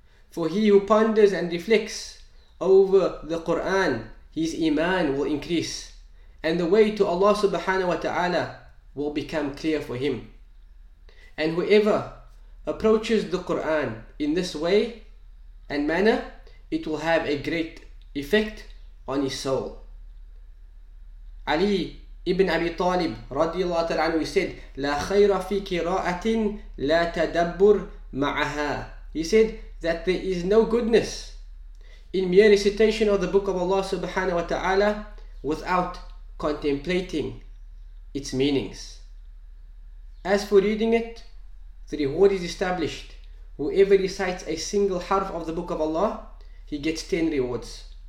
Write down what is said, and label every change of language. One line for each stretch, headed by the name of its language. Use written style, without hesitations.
English: For he who ponders and reflects over the Qur'an, his iman will increase, and the way to Allah subhanahu wa ta'ala will become clear for him. And whoever approaches the Qur'an in this way and manner, it will have a great effect on his soul. Ali ibn Abi Talib radiallahu ta'ala anhu said,
Arabic: لا خير في قراءة لا تدبر معها.
English: He said that there is no goodness in mere recitation of the book of Allah subhanahu wa ta'ala without contemplating its meanings. As for reading it, the reward is established. Whoever recites a single harf of the book of Allah, he gets 10 rewards.